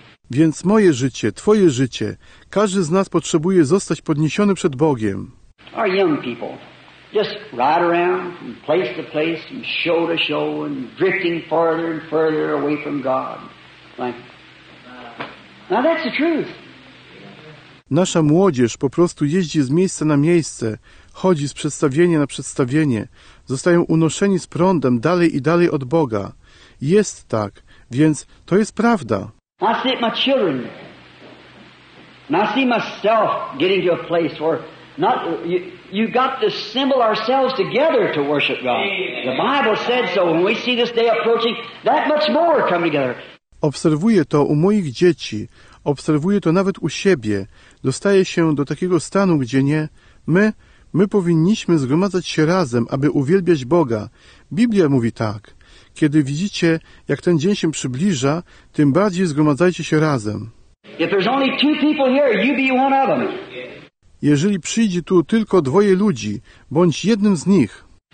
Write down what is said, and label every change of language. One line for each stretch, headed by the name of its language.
Polish: Więc moje życie, twoje życie, każdy z nas potrzebuje zostać podniesiony przed Bogiem.
English: Our young people. Just ride around from place to place, from show to show, and drifting farther and further away from God. Like, now that's the truth.
Polish: Nasza młodzież po prostu jeździ z miejsca na miejsce, chodzi z przedstawienia na przedstawienie, zostają unoszeni z prądem dalej i dalej od Boga. Jest tak, więc to jest prawda.
English: I see my children. And I see myself getting to a place where not... You've got to assemble ourselves together to worship God. The Bible said so. When we see this day approaching, that much more come together.
Polish: Obserwuję to u moich dzieci. Obserwuję to nawet u siebie. Dostaję się do takiego stanu, gdzie nie. My powinniśmy zgromadzać się razem, aby uwielbiać Boga. Biblia mówi tak. Kiedy widzicie, jak ten dzień się przybliża, tym bardziej zgromadzajcie się razem.
English: If there's only two people here, you be one of them.
Polish: Jeżeli przyjdzie tu tylko dwoje ludzi, bądź jednym z nich.